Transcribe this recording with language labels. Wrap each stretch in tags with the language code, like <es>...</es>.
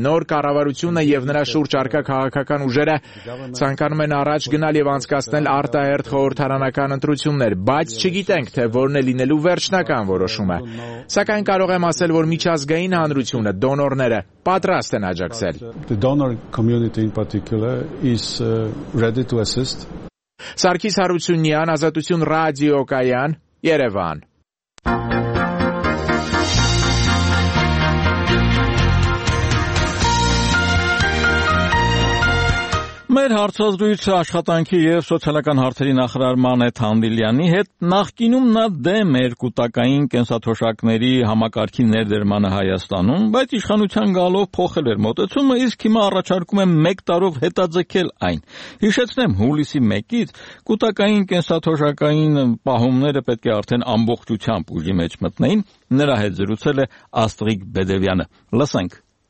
<hy>նոր կառավարությունը եւ նրա շուրջ առկա քաղաքական ուժերը ցանկանում են առաջ գնալ եւ անցկացնել արտահերթ խորհրդարանական ընտրություններ, բայց չգիտենք, թե որն է լինելու վերջնական որոշումը։ Սակայն կարող եմ ասել, որ միջազգային հանրությունը, դոնորները պատրաստ են աջակցել։</hy> <en>The donor community in particular is ready to assist.</en> <hy>Սարգիս Հարությունյան, Ազատություն Ռադիո Կայան, Երևան։ Մեր հարցազրույցը աշխատանքի և սոցիալական հարցերի նախարարման է Թանդիլյանի հետ։ Նախկինում նա դեմ էր կուտակային կենսաթոշակների համակարգի ներդերմանը Հայաստանում, բայց իշխանության գալով փոխել էր մոտեցումը, իսկ հիմա առաջարկում է 1 տարով հետաձգել այն։ Հիշեցնեմ, հուլիսի 1-ից կուտակային կենսաթոշակային պահումները պետք է արդեն ամբողջությամբ ուժի մեջ մտնեին, նրա հետ զրուցել է Աստղիկ Բեդևյանը։ Լսենք։</hy>